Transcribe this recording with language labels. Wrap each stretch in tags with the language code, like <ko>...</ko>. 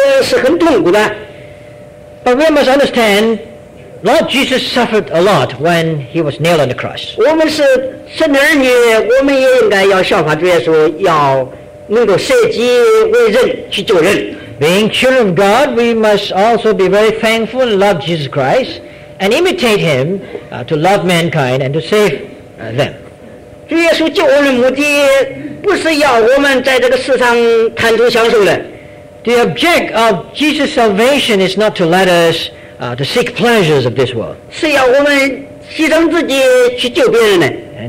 <zh>也就是说，如果服侍自己，因为主耶稣替我们死是很痛苦的。</zh> <en>But we must understand, Lord Jesus suffered a lot when he was nailed on the cross.</en> <zh>我们是神的儿女，我们也应该要效法主耶稣，要</zh> <en>Being children of God, we must also be very thankful and love Jesus Christ and imitate him to love mankind and to save them.</en> <zh>主耶稣救我们的目的不是要我们在这个世上贪图享受的。</zh> <en>The object of Jesus' salvation is not to let us to seek pleasures of this world.</en> <zh>是要我们牺牲自己去救别人的。</zh> <en>And</en>